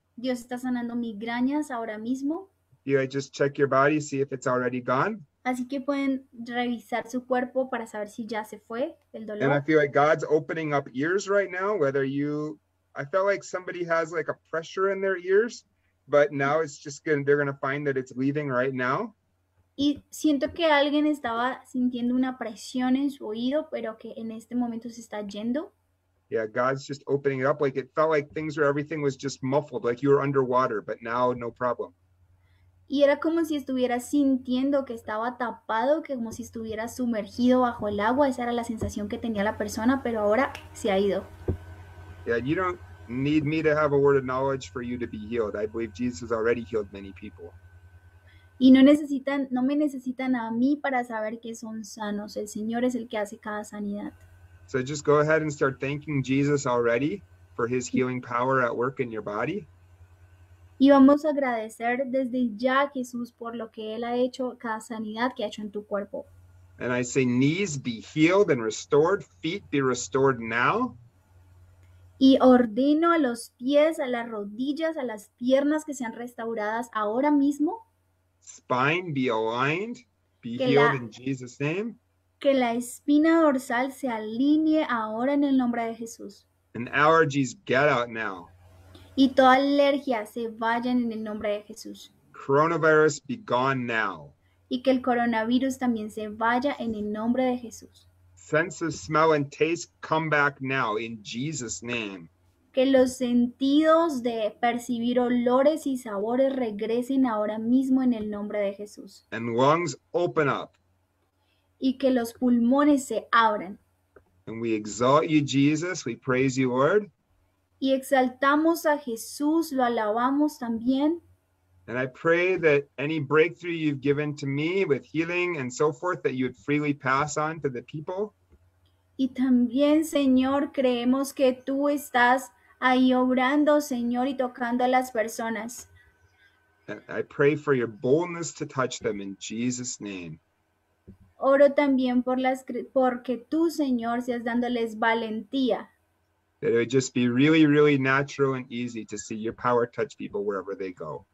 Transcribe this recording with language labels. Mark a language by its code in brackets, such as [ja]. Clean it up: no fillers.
[es] Dios está sanando migrañas ahora mismo. [en] You just check your body, see if it's already gone. [es] Así que pueden revisar su cuerpo para saber si ya se fue el [en] And I [es] dolor. [en] feel like God's opening up ears right now, whether you, I felt like somebody has like a pressure in their ears. But now it's just gonna, they're gonna find that it's leaving right now. [es] Y siento que alguien estaba sintiendo una presión en su oído, pero que en este momento se está yendo. [en] Yeah, God's just opening it up. Like it felt like things were, everything was just muffled, like you were underwater, but now no problem. [es] Y era como si estuviera sintiendo que estaba tapado, que como si estuviera sumergido bajo el agua. Esa era la sensación que tenía la persona, pero ahora se ha ido. [en] Yeah, you don't. Need me to have a word of knowledge for you to be healed. I believe Jesus already healed many people. [es] y no necesitan, no me necesitan a mí para saber que son sanos. El Señor es el que hace cada sanidad. [en] So just go ahead and start thanking Jesus already for his healing power at work in your body. [es] Y vamos a agradecer desde ya a Jesús por lo que él ha hecho, cada sanidad que ha hecho en tu cuerpo. [en] And I say, knees be healed and restored, feet be restored now. [es] Y ordeno a los pies, a las rodillas, a las piernas que sean restauradas ahora mismo. [en] Spine be aligned, be healed in Jesus' name. [es] Que la espina dorsal se alinee ahora en el nombre de Jesús. [en] And allergies get out now. [es] Y toda alergia se vayan en el nombre de Jesús. [en] Coronavirus be gone now. [es] Y que el coronavirus también se vaya en el nombre de Jesús. [en] Senses, smell, and taste come back now in Jesus' name. [es] Que los sentidos de percibir olores y sabores regresen ahora mismo en el nombre de Jesús. [en] And lungs open up. [es] Y que los pulmones se abran. [en] And we exalt you, Jesus. We praise you, Lord. [es] Y exaltamos a Jesús, lo alabamos también. [en] And I pray that any breakthrough you've given to me with healing and so forth, that you would freely pass on to the people. [es] Y también, Señor, creemos que tú estás ahí obrando, Señor, y tocando a las personas. [en] And I pray for your boldness to touch them in Jesus' name. [es] Oro también por las, porque tú, Señor, seas dándoles valentía. [en] That it would just be really, really natural and easy to see your power touch people wherever they go.